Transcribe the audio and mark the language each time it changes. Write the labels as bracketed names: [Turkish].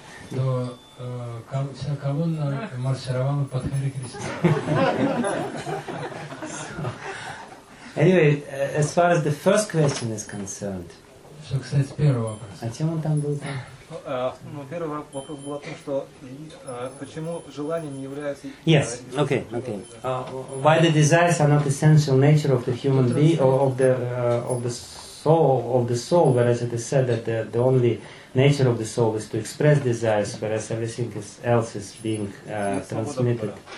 [Russian] То вся колонна маршировала под Харе Кришна. [English] Anyway, as far as the first question is concerned. [Russian] Что касается первого вопроса. А чем он там был? Первый вопрос был о том, что почему желания не являются... [English] Yes, okay. Why the desires are not essential nature of the human being, or of the soul, whereas it is said that the only nature of the soul is to express desires, whereas everything else is being transmitted.